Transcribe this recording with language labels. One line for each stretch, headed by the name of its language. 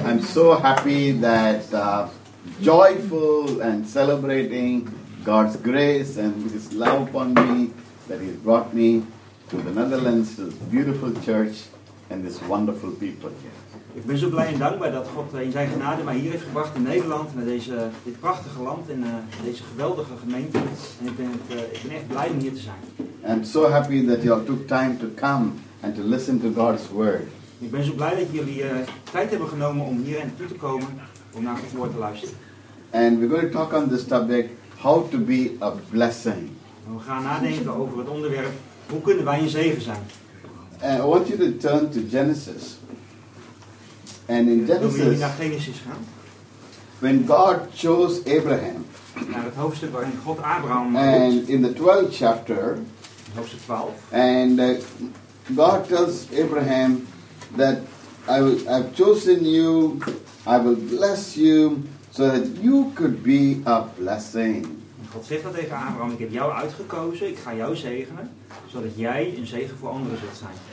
English: so happy that joyful and celebrating God's grace and His love upon me, that He's brought me to the Netherlands, this beautiful church and this wonderful people here.
Dutch: Ik ben zo blij en dankbaar dat God in zijn genade mij hier heeft gebracht in Nederland, naar dit prachtige land en deze geweldige gemeente. En ik ben echt blij om hier te zijn.
English: And so happy that you all took time to come and to listen to God's word.
Dutch: Ik ben zo blij dat jullie tijd hebben genomen om hier en toe te komen om naar het woord te luisteren.
English: And we're going to talk on this topic, how to be a blessing.
Dutch: En we gaan nadenken over het onderwerp, hoe kunnen wij een zegen zijn?
English: And I want you to turn to Genesis. And in Genesis, when God chose Abraham,
Dutch: naar het hoofdstuk waarin God Abraham roept,
English: and in the 12th chapter,
Dutch: hoofdstuk 12,
English: and God tells Abraham that I've chosen you, I will bless you, so that you could be a blessing.
Dutch: God zegt dat tegen Abraham, ik heb jou uitgekozen, ik ga jou zegenen, zodat jij een zegen voor anderen zult zijn.